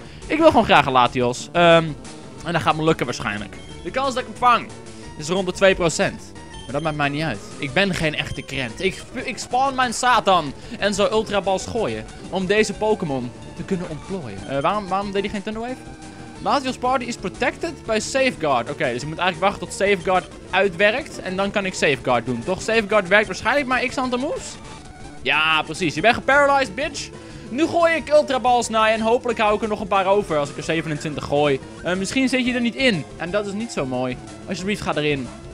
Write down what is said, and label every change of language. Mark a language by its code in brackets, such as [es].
[nl] Ik wil gewoon graag een Latios. En dat gaat me lukken waarschijnlijk. De kans dat ik hem vang is rond de 2%. Maar dat maakt mij niet uit. Ik ben geen echte krent. Ik spawn mijn Satan en zo ultrabals gooien om deze Pokémon te kunnen ontplooien. Waarom deed hij geen Thunderwave? [en] Latios party is protected by Safeguard. [nl] Oké, dus ik moet eigenlijk wachten tot Safeguard uitwerkt en dan kan ik Safeguard doen. Toch, Safeguard werkt waarschijnlijk maar X aantal moves? Ja, precies. Je bent geparalyzed, bitch. Nu gooi ik ultrabals naar je en hopelijk hou ik er nog een paar over als ik er 27 gooi. Misschien zit je er niet in en dat is niet zo mooi. Alsjeblieft, ga erin.